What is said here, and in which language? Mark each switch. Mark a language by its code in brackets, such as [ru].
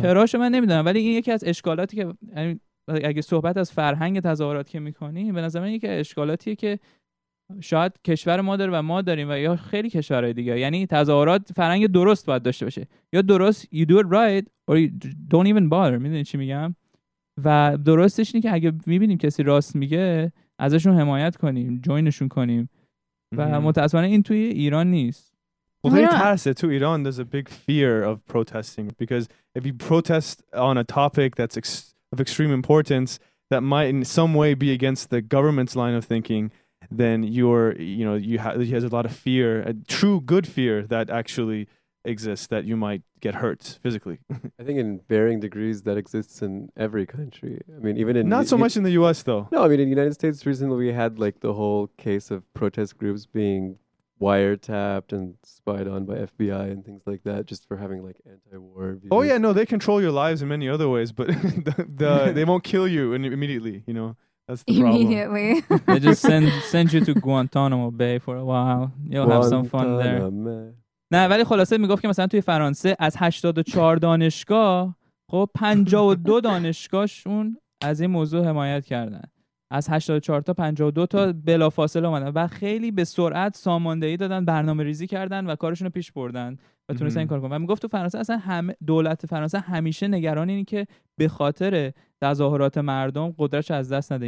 [fa] چراشو من نمیدونم ولی این یکی از اشکالاتی که اگه صحبت از فرهنگ تظاهرات که میکنی به نظر من یکی اشکالاتیه که شاید کشور ما داره و ما داریم و یا خیلی کشورهای دیگه یعنی تظاهرات فرهنگ درست باید داشته باشه یا درست [en] you do it right or you don't even bother [fa] میدونی چی میگم و درستش اینه که اگه میبینیم کسی راست میگه ازشون حمایت کنیم جوینشون کنیم و متاسفانه این توی ایران نیست [en] Well, they passed it to Iran. There's a big fear of protesting because if you protest on a topic that's of extreme importance that might in some way be against the government's line of thinking then you're, you know, he has a lot of fear, a true good fear that actually exists, that you might get hurt physically. I think in varying degrees that exists in every country. I mean, even in... Not so much in the U.S. though. No, I mean, in the United States recently we had like the whole case of protest groups being wiretapped and spied on by FBI and things like that just for having like anti-war views. Oh yeah, no, they control your lives in many other ways, but they won't kill you immediately, you know. That's the immediately. Problem. They just send you to Guantanamo Bay for a while. You'll have some fun there. [fa] نه ولی خلاصه میگفت که مثلا توی فرانسه از 84 دانشگاه خب 52 دانشگاهشون از این موضوع حمایت کردن. از 84 تا 52 تا بلافاصله اومدن و خیلی به سرعت ساماندهی دادن برنامه ریزی کردن و کارشون رو پیش بردن و تونستن این کار کنن. و میگفت تو فرانسه اصلا دولت فرانسه همیشه نگران اینه که به خاطر تظاهرات مردم قدرتش از دست نده.